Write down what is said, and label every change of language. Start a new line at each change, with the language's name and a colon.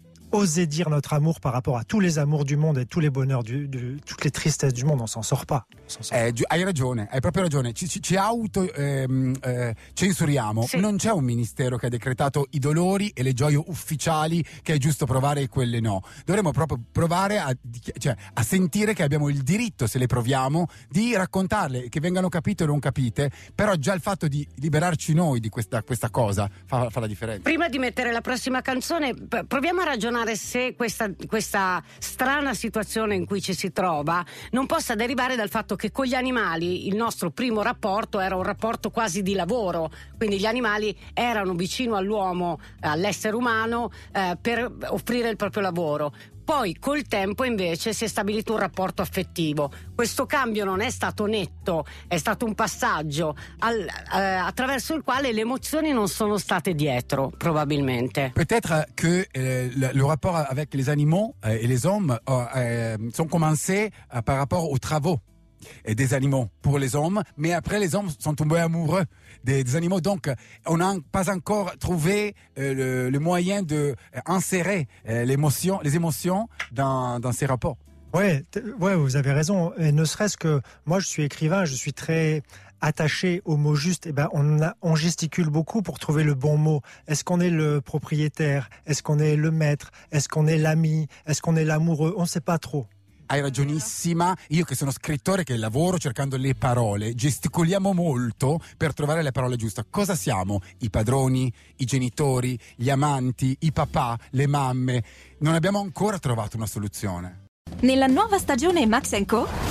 French: oser dire notre amour par rapport à tous les amours du monde et tous les bonheurs, toutes les tristesses du monde, on s'en sort pas.
Italian: Hai ragione, hai proprio ragione. Ci auto censuriamo. Sì. Non c'è un ministero che ha decretato i dolori e le gioie ufficiali che è giusto provare e quelle no. Dovremmo proprio provare a sentire che abbiamo il diritto, se le proviamo, di raccontarle, che vengano capite o non capite. Però già il fatto di liberarci noi di questa cosa fa la differenza. Prima di mettere la prossima canzone, proviamo a ragionare se questa strana situazione in cui ci si trova non possa derivare dal fatto che con gli animali il nostro primo rapporto era un rapporto quasi di lavoro, quindi gli animali erano vicino all'uomo, all'essere umano, per offrire il proprio lavoro. Poi col tempo invece si è stabilito un rapporto affettivo. Questo cambio non è stato netto, è stato un passaggio attraverso il quale le emozioni non sono state dietro, probabilmente.
French: Peut-être que le rapport avec les animaux et les hommes sont commencé par rapport aux travaux et des animaux pour les hommes, mais après les hommes sont tombés amoureux des animaux, donc on n'a pas encore trouvé le moyen de insérer les émotions dans ces rapports. Ouais, vous avez raison. Et ne serait-ce que moi, je suis écrivain, je suis très attaché au mot juste, et ben on gesticule beaucoup pour trouver le bon mot. Est-ce qu'on est le propriétaire? Est-ce qu'on est le maître? Est-ce qu'on est l'ami? Est-ce qu'on est l'amoureux? On ne sait pas trop.
Italian: Hai ragionissima, io che sono scrittore, che lavoro cercando le parole, gesticoliamo molto per trovare la parola giusta. Cosa siamo? I padroni, i genitori, gli amanti, i papà, le mamme? Non abbiamo ancora trovato una soluzione. Nella nuova stagione Max & Co?